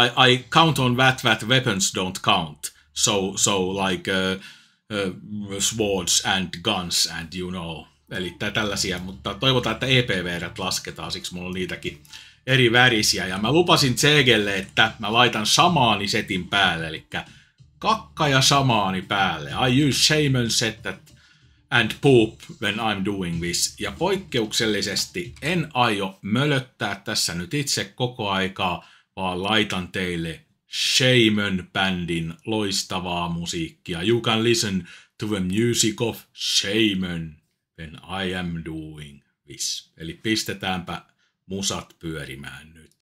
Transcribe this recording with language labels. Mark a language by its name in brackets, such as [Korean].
[English] I count on that weapons don't count, so like swords and guns and you know, [Finnish] eli tällaisia, mutta toivotaan, että EPV-rät lasketaan, siksi mulla on niitäkin eri värisiä, ja mä lupasin Tsegelle, että mä laitan samaani setin päälle, eli kakka ja shamaani päälle. [English] I use shaman set that and poop when I'm doing this. [Finnish] Ja poikkeuksellisesti en aio mölöttää tässä nyt itse koko aikaa, vaan laitan teille shaman bandin loistavaa musiikkia. [English] You can listen to the music of shaman when I am doing this. [Finnish] Eli pistetäänpä musat pyörimään nyt.